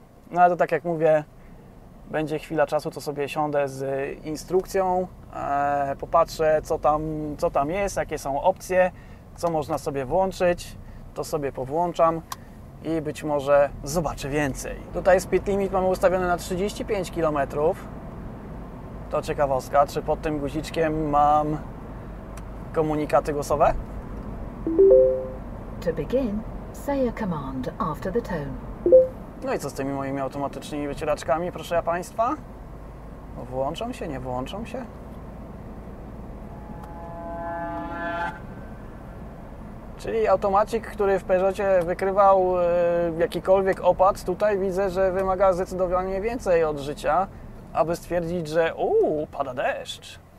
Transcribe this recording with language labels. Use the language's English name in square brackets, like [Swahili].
[Polish] No ale to tak jak mówię, będzie chwila czasu, to sobie siądę z instrukcją, popatrzę, co tam jest, jakie są opcje, co można sobie włączyć, to sobie powłączam i być może zobaczę więcej. Tutaj speed limit mamy ustawiony na 35 km. To ciekawostka, czy pod tym guziczkiem mam komunikaty głosowe? [English] To begin, say a command after the tone. [Polish] No i co z tymi moimi automatycznymi wycieraczkami, proszę Państwa? Włączą się, nie włączą się? Czyli automacik, który w Peugeotie wykrywał jakikolwiek opad, tutaj widzę, że wymaga zdecydowanie więcej od życia, aby stwierdzić, że pada deszcz.